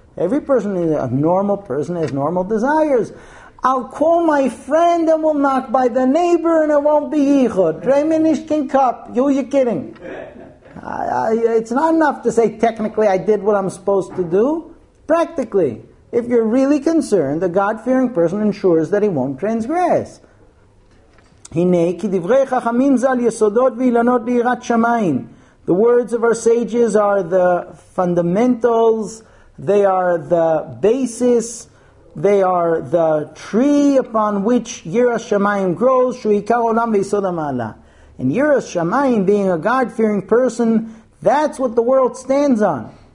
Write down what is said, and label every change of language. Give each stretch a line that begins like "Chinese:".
English: Every person is a normal person, has normal desires. I'll call my friend and we'll knock by the neighbor and it won't be Yichud. Dreiminishkin cup. You're kidding. It's not enough to say technically I did what I'm supposed to do. Practically, if you're really concerned, a God-fearing person ensures that he won't transgress.
Hebrew: הנה כי דברי חכמים זה על יסודות ואילנות ליראת שמיים.
English: The words of our sages are the fundamentals, they are the basis, they are the tree upon which Yiras Shamayim grows,
Hebrew: Shuikar Olam Veisod HaMa'ala.
English: And Yiras Shamayim, being a God-fearing person, that's what the world stands on.